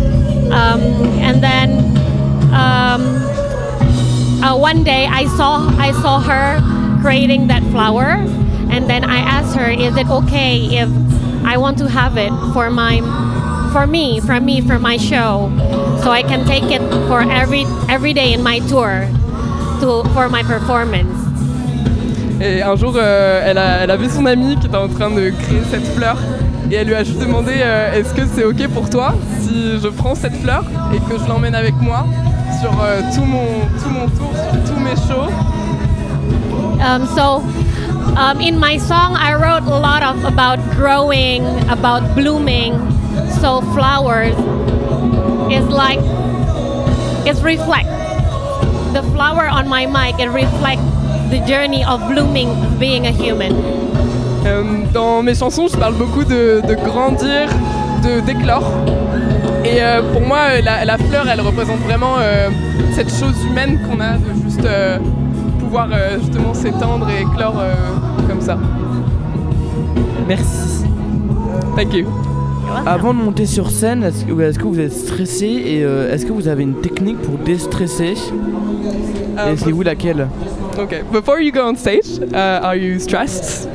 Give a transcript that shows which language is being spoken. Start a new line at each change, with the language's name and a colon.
English: One day I saw her creating that flower, and then I asked her, is it okay if I want to have it for my show, so I can take it for every day in my tour for my performance.
French: Et un jour elle a vu son amie qui était en train de créer cette fleur et elle lui a juste demandé est-ce que c'est ok pour toi si je prends cette fleur et que je l'emmène avec moi sur tout mon tour, sur tous mes shows.
English: So in my song I wrote a lot of about growing, about blooming. So flowers is like it reflects the flower on my mic. It reflects the journey of blooming, being a human.
French: Dans mes chansons, je parle beaucoup de grandir, de d'éclore. Et pour moi, la fleur, elle représente vraiment cette chose humaine qu'on a de juste pouvoir justement s'étendre et éclore comme ça. Merci.
English: Thank you.
French: Avant de monter sur scène, est-ce que vous êtes stressé et est-ce que vous avez une technique pour déstresser? Et c'est où laquelle?
English: Okay. Before you go on stage, are you stressed?